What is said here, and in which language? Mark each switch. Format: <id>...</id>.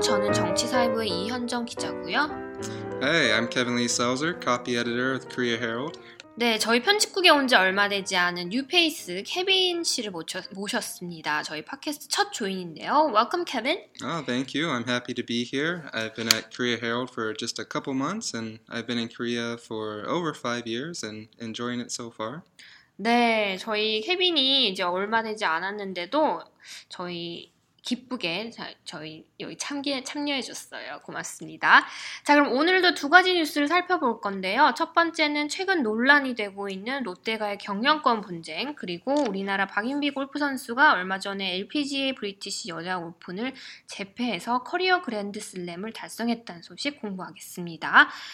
<ko>저는 정치사회부의 이현정 기자고요.</ko> <en>Hey, I'm Kevin Lee Selzer, copy editor of the Korea Herald.</en> <ko>네, 저희 편집국에 온 지 얼마 되지 않은 뉴페이스 케빈 씨를 모셨습니다. 저희 팟캐스트 첫 조인인데요.</ko> <en>Welcome, Kevin. Oh, thank you. I'm happy to be here. I've been at Korea Herald for just a couple months, and I've been in Korea for over 5 years and enjoying it so far.</en> <ko>네, 저희 케빈이 이제 얼마 되지 않았는데도 저희 기쁘게 저희 여기 참여해 줬어요. 고맙습니다. 자, 그럼 오늘도 두 가지 뉴스를 살펴볼 건데요. 첫 번째는 최근 논란이 되고 있는 롯데가의 경영권 분쟁, 그리고 우리나라 박인비 골프 선수가 얼마 전에 LPGA 브리티시 여자 오픈을 재패해서 커리어 그랜드슬램을 달성했다는 소식 공부하겠습니다.</ko>